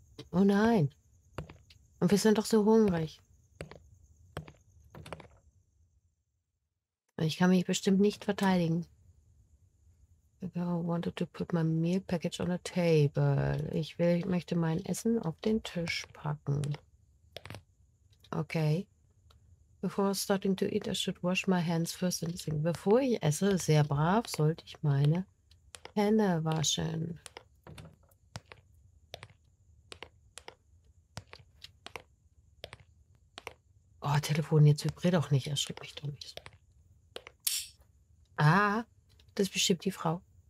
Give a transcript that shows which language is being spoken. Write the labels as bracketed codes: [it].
[de] Oh nein. Und wir sind doch so hungrig. Ich kann mich bestimmt nicht verteidigen. [en] I wanted to put my meal package on a table. [de] Ich möchte mein Essen auf den Tisch packen. Okay. [en] Before starting to eat, I should wash my hands first and sing. [de] Bevor ich esse, sehr brav, sollte ich meine Hände waschen. Oh, Telefon, jetzt vibriert auch nicht. Erschreck mich doch nicht. Ah, das ist bestimmt die Frau.